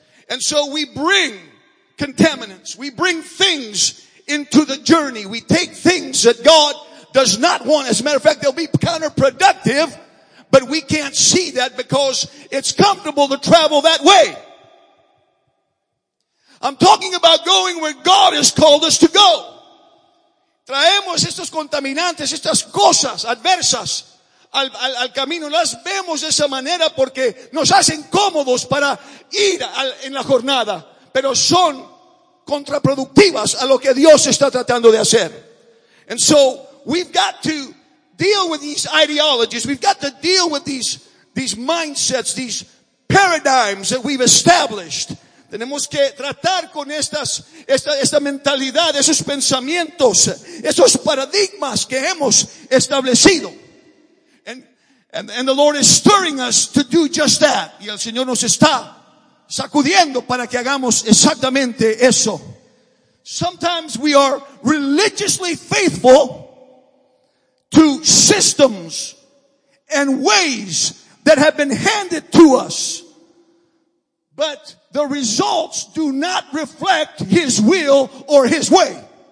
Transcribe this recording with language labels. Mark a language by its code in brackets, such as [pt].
[en] And so we bring contaminants, we bring things into the journey. We take things that God does not want. As a matter of fact, they'll be counterproductive, but we can't see that because it's comfortable to travel that way. I'm talking about going where God has called us to go. [es] Traemos estos contaminantes, estas cosas adversas al camino. Las vemos de esa manera porque nos hacen cómodos para ir en la jornada, pero son contraproductivas a lo que Dios está tratando de hacer. [en] And so we've got to deal with these ideologies. We've got to deal with these mindsets, these paradigms that we've established. [es] Tenemos que tratar con esta mentalidad, esos pensamientos, esos paradigmas que hemos establecido. [en] And the Lord is stirring us to do just that. [es] Y el Señor nos está sacudiendo para que hagamos exactamente eso. [en] Sometimes we are religiously faithful to systems and ways that have been handed to us, but the results do not reflect His will or His way.